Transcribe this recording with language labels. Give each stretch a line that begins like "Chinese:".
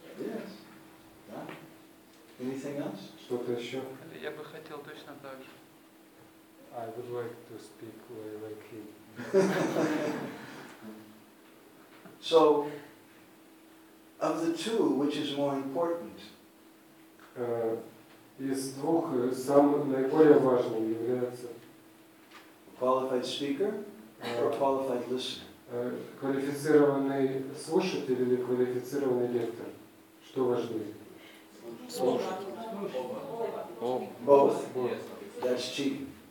English: Yes. Anything else?
Russian: Что-то еще? Я бы хотел точно так же.
English: I would like to speak like him. So, of the two, which is more important?
Russian: Из двух самый наиболее важный является
English: qualified speaker or qualified listener.
Russian: Квалифицированный слушатель или квалифицированный лектор? Что важнее? Слушатель.
English: Both. Both. That's cheap.